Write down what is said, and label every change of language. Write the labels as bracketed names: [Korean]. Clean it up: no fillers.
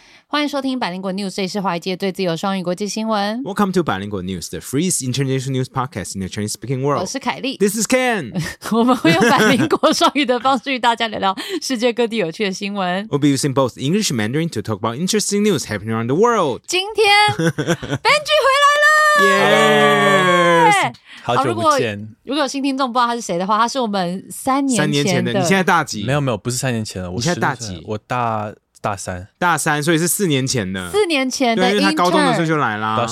[Chinese] 欢迎收听百灵果 News， 这里是华语界最自由双语国际新闻。 [English] Welcome to 百灵果 News， the freest international news podcast in the Chinese speaking world。 [Chinese] 我是凯莉 [English] ，This is Ken。 [Chinese] 我们会用百灵果双语的方式与大家聊聊世界各地有趣的新闻。 [English] We'll be using both English and Mandarin to talk about interesting news happening around the world。 [Chinese] 今天 Benji 回来了 [English] ，Yes。 [Chinese] 好久不见。如果有新听众不知道他是谁的话，他是我们三年前的。你现在大几？没有没有，不是三年前的。你现在大几？我大三。大三，所以是4年前的。 4年前的。对，因为他高中的时候就来啦。